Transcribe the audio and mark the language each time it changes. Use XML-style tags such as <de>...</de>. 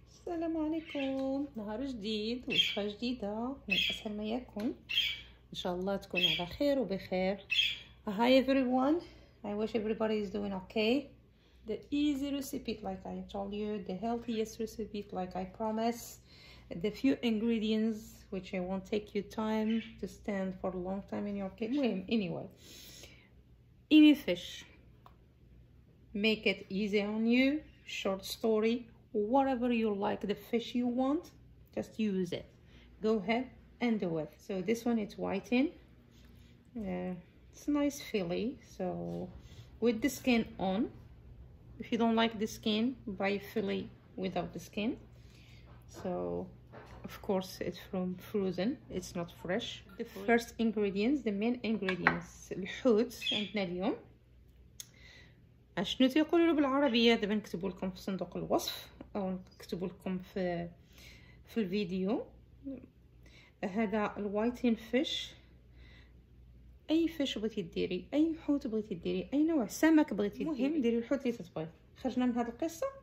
<ar>السلام عليكم، نهار جديد وصفة جديدة من أسهل ما يكون. إن شاء الله تكون على خير وبخير.</ar> <en>Hi everyone, I wish everybody is doing okay. The easy recipe like I told you, the healthiest recipe like I promise. The few ingredients which I won't take you time to stand for a long time in your kitchen. Anyway, any fish, make it easy on you, short story. Whatever you like, the fish you want, just use it. Go ahead and do it. So this one, it's whiting. It's nice filly. So with the skin on, if you don't like the skin, buy filly without the skin. So of course it's from frozen, it's not fresh. The first ingredients, the main ingredients,</en> <ar>الحوت عندنا اليوم. شنو تيقولوا له بالعربية؟ دابا نكتبوا لكم في صندوق الوصف أو نكتبوا لكم في الفيديو. هذا الوايتين فيش، أي فيش بغيتي ديري، أي حوت بغيتي ديري، أي نوع سمك بغيتي ديري، المهم ديري الحوت اللي تبغي. خرجنا من هذه القصة.</ar>